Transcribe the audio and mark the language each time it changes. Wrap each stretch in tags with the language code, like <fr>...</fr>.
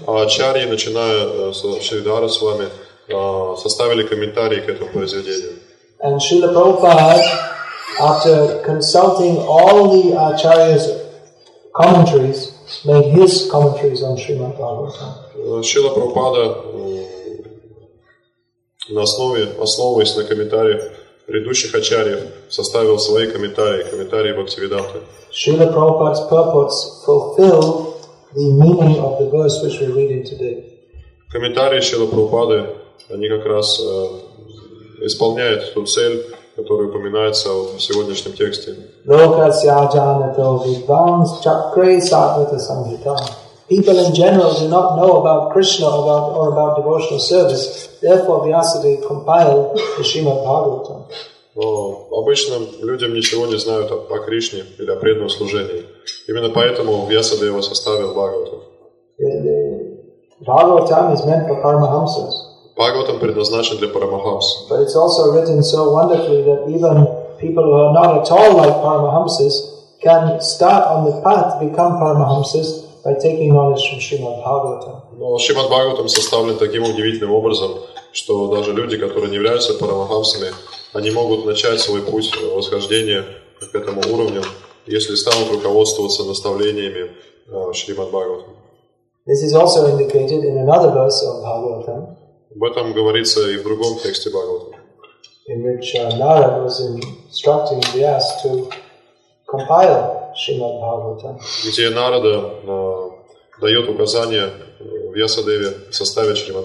<ru>Acharya, начиная с Sridhara Swami, составили комментарии к этому произведению.</ru> <en>And Srila Prabhupada, after consulting all the acharyas' commentaries, made his commentaries on Srimad Bhagavatam.</en> <ru>Srila Prabhupada, основываясь на комментариях предыдущих ачарьев, составил свои комментарии Бхактивиданты.</ru> <en>Srila Prabhupada's purports fulfill the meaning of the verse which we're reading today.</en> <ru>Комментарии Шрилы Прабхупады, они как раз исполняют ту цель, которая упоминается в сегодняшнем тексте.</ru> <sa>Локасья джанато видванс чакре садвата самхитам.</sa> <en>People in general do not know about Krishna or about devotional service. Therefore, Vyasadeva compiled the Srimad Bhagavatam.</en> <ru>Обычным людям ничего не знают о Кришне или о преданном служении. Именно поэтому Вьясадева составил Бхагаватам.</ru> <en>Бхагаватам is meant for Paramahamsas.</en> <ru>Бхагаватам предназначен для Парамахамс.</ru> <en>But it's also written so wonderfully that even people who are not at all like Paramahamsas can start on the path to become Paramahamsas by taking knowledge from Srimad Bhagavatam.</en> <ru>Но Шримад Бхагаватам составлен таким удивительным образом, что даже люди, которые не являются Парамахамсами, они могут начать свой путь восхождения к этому уровню, если станут руководствоваться наставлениями Шримад Бхагаватам.</ru> <en>This is also indicated in another verse of Bhagavatam.</en> <ru>Об этом говорится и в другом тексте Бхагавата.</ru> <en>In which Narada was instructing Vyas to compile Shrimad Bhagavatam.</en> <ru>Где Нарада дает указание Вьясадеве составить Шримад</ru>